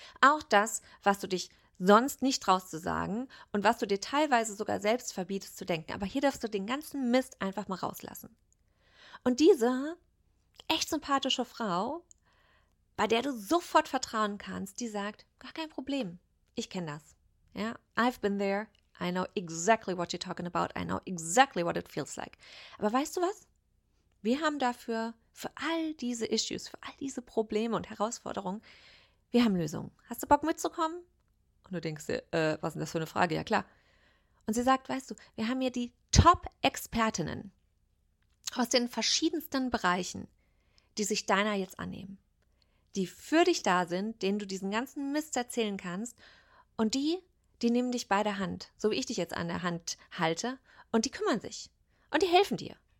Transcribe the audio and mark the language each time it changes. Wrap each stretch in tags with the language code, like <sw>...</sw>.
<de>Auch das, was du dich sonst nicht traust zu sagen und was du dir teilweise sogar selbst verbietest zu denken. Aber hier darfst du den ganzen Mist einfach mal rauslassen. Und diese echt sympathische Frau, bei der du sofort vertrauen kannst, die sagt, gar kein Problem, ich kenne das.</de> <en>Ja, I've been there, I know exactly what you're talking about, I know exactly what it feels like.</en> <de>Aber weißt du was? Wir haben dafür, für all diese Issues, für all diese Probleme und Herausforderungen, wir haben Lösungen. Hast du Bock mitzukommen? Und du denkst dir, was ist das für eine Frage? Ja, klar. Und sie sagt, weißt du, wir haben hier die Top-Expertinnen aus den verschiedensten Bereichen, die sich deiner jetzt annehmen, die für dich da sind, denen du diesen ganzen Mist erzählen kannst und die nehmen dich bei der Hand, so wie ich dich jetzt an der Hand halte und die kümmern sich und die helfen dir.</de>